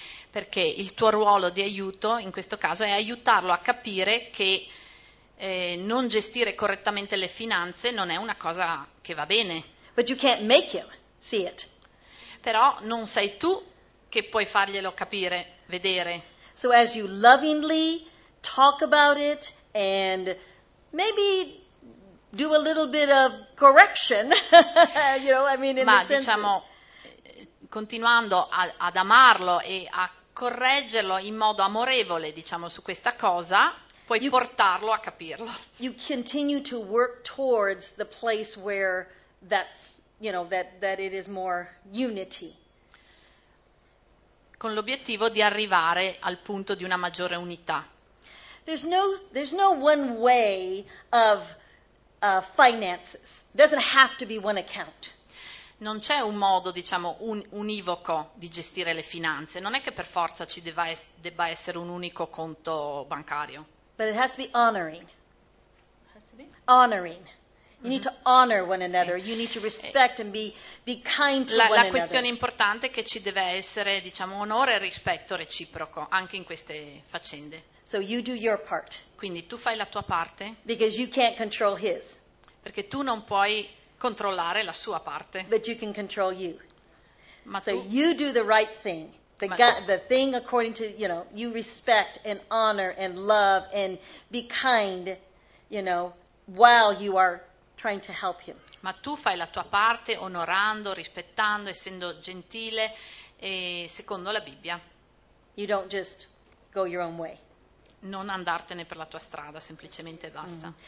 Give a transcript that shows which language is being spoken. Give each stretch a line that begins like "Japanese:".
Italian: Perché il tuo ruolo di aiuto in questo caso è aiutarlo a capire che non gestire correttamente le finanze non è una cosa che va bene.
English: But you can't make him see it.
Italian: Però non sei tu che puoi farglielo capire, vedere.
English: So as you lovingly talk about it and maybe do a little bit of correction, you know, I mean, in
Italian: ma
English: a sense,
Italian: diciamo, continuando ad amarlo e a correggerlo in modo amorevole, diciamo, su questa cosa, puoi portarlo a capirlo.
English: You continue to work towards the place where that's, you know, that it is more unity.
Italian: Con l'obiettivo di arrivare al punto di una maggiore unità.
English: There's no one way of finances. It doesn't have to be one account.
Italian: Non c'è un modo, diciamo, univoco di gestire le finanze. Non è che per forza ci debba essere un unico conto bancario.
English: But it has to be honoring. Honoring. You need to honor one another. Sì. You need to respect and be kind to one another.
Italian: La questione importante è che ci deve essere, diciamo, onore e rispetto reciproco anche in queste faccende.
English: So you do your part.
Italian: Quindi tu fai la tua parte.
English: Because you can't control his.
Italian: Perché tu non puoi controllare la sua parte.
English: But you can control you.
Italian: Ma
English: so
Italian: tu,
English: you do the right thing. The thing according to, you know, you respect and honor and love and be kind, you know, while you are trying to help him.
Italian: Ma tu fai la tua parte onorando, rispettando, essendo gentile e secondo la Bibbia.
English: You don't just go your own way.
Italian: Non andartene per la tua strada, semplicemente basta.